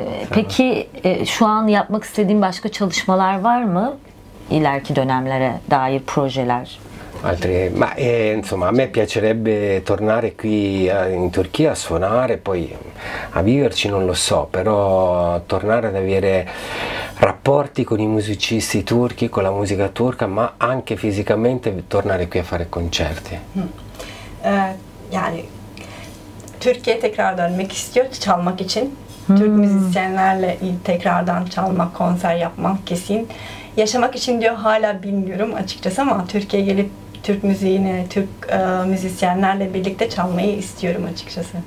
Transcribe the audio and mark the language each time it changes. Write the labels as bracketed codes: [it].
[tr] Peki şu an yapmak istediğin başka çalışmalar var mı? İleriki dönemlere dair projeler. [it] Altri, ma insomma, a me piacerebbe tornare qui in Turchia a suonare, poi a viverci non lo so, però tornare ad avere rapporti con i musicisti turchi, con la musica turca, ma anche fisicamente tornare qui a fare concerti. [tr] Yani Türkiye'ye tekrar dönmek istiyor, çalmak için. Türk müzisyenlerle tekrardan çalmak, konser yapmak kesin. Yaşamak için diyor hala bilmiyorum açıkçası ama Türkiye'ye gelip Türk müziğini, Türk müzisyenlerle birlikte çalmayı istiyorum açıkçası.